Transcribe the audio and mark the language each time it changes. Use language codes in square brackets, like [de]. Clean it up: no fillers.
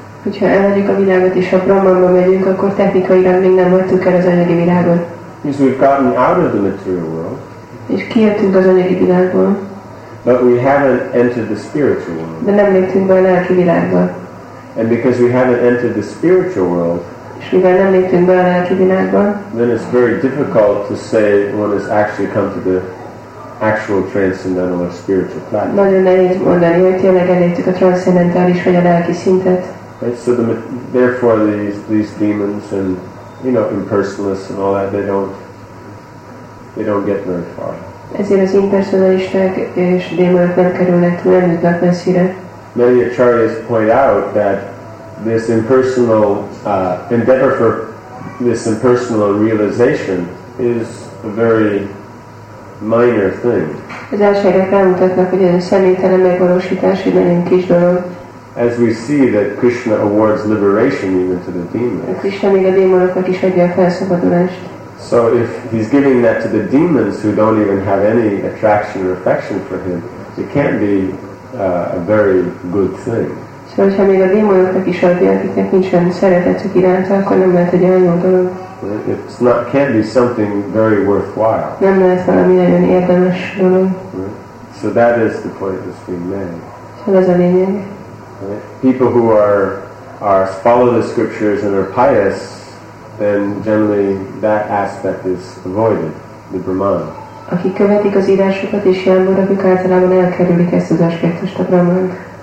[hu] Hogyha elhagyjuk a világot és a Brahmanba megyünk, akkor technikailag még nem hagytuk el az anyagi világot. [en] Because we've gotten out of the material world. [hu] És kijöttünk az anyagi világból. [en] But we haven't entered the spiritual world. [hu] De nem léptünk be a lelki világba. [en] And because we haven't entered the spiritual world, [hu] és mivel nem léptünk be a lelki világba, [en] then it's very difficult to say one has actually come to the actual transcendental or spiritual platform. [hu] Nagyon nehéz mondani, hogy tényleg elértük a transzcendentális vagy a lelki szintet. [en] Right? So therefore these demons and, you know, impersonalists and all that, they don't get very far. [hu] Ezért az impersonalisták és démonok nem kerülnek túl, nem jutnak messzire. [en] Many acharyas point out that this impersonal endeavor for this impersonal realization is a very minor thing. [hu] Az acharyák rámutatnak, hogy ez a személytelen megvalósítás egy nagyon kis dolog. [en] As we see that Krishna awards liberation even to the demons. [hu] A Krishna még a démonoknak is adja a felszabadulást. [en] So if he's giving that to the demons who don't even have any attraction or affection for him, it can't be a very good thing. [hu] So ha még a démonoknak is adja, akiknek nincsen szeretetük iránta, akkor nem lehet egy olyan dolog. [en] It's not, can't be something very worthwhile. [hu] Nem lehet valami nagyon érdemes dolog. [en] So that is the point that's being made. [hu] So ez a lényeg. [en] People who are follow the scriptures and are pious, then generally that aspect is avoided, the Brahman. [hu] Akik követik az írásokat és jámborok, ők általában elkerülik ezt az aspektust, a Brahmant.